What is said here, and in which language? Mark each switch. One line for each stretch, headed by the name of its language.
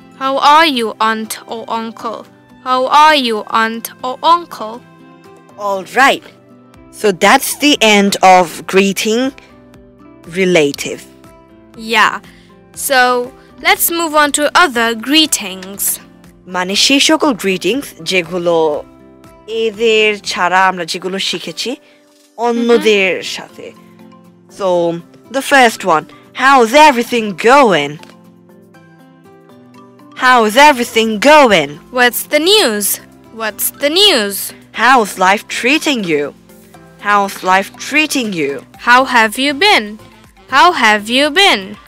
English: How are you, aunt or uncle? How are you, aunt or uncle? All right. So that's the end of greeting relative. Yeah. So let's move on to other greetings.
Bangla: মানে সেই সকল greetings যেগুলো এদের ছাড়া আমরা যেগুলো শিখেছি অন্যদের সাথে.
English: So the first one, how's everything going? How's everything going? What's the news? What's the news? How's life treating you? How's life treating you? How have you been? How have you been?